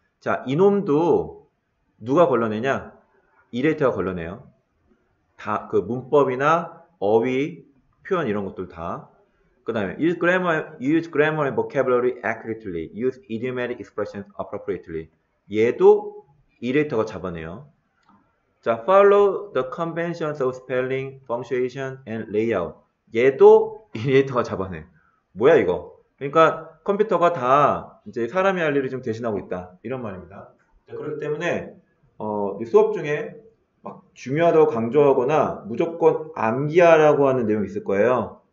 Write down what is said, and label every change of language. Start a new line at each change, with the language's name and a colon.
Korean: 자, 이놈도 누가 걸러내냐? 이레이터가 걸러내요. 다그 문법이나 어휘, 표현 이런 것들 다. 그다음에
English: use grammar and vocabulary accurately. use idiomatic expressions appropriately.
Korean: 얘도 이레이터가 잡아내요.
English: 자, follow the conventions of spelling, punctuation, and layout.
Korean: 얘도 이레이터가 잡아내. 뭐야 이거? 그러니까 컴퓨터가 다 이제 사람이 할 일을 좀 대신하고 있다. 이런 말입니다. 그렇기 때문에 수업 중에 막 중요하다고 강조하거나 무조건 암기하라고 하는 내용이 있을 거예요.